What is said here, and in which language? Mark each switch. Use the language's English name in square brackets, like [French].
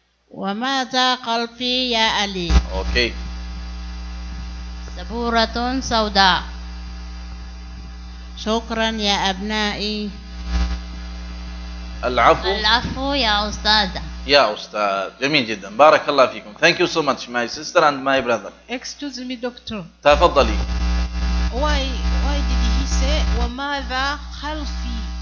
[Arabic] وماذا خلفي يا علي؟ أوكي. سبورة سوداء. شكرا يا أبنائي. العفو يا أستاذ. يا أستاذ، جميل جدا، بارك الله فيكم. [English] Thank you so much my sister and my brother. Excuse me doctor. [Arabic] تفضلي. [English] Why did he say [Arabic] وماذا خلفي؟